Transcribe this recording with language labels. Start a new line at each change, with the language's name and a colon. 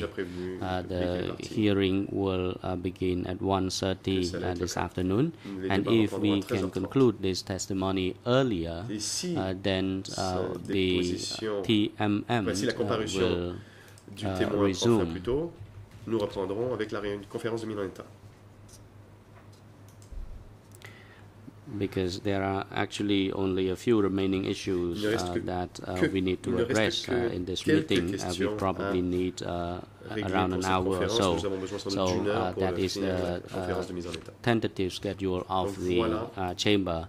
English: The hearing will begin at 1:30 this afternoon, and if we can conclude this testimony earlier, then the TMM will resume.
French: Nous reprendrons avec la conférence de Milan État.
English: Because there are actually only a few remaining issues that we need to address in this meeting. We probably need around an hour or so. So that is the tentative schedule of the chamber.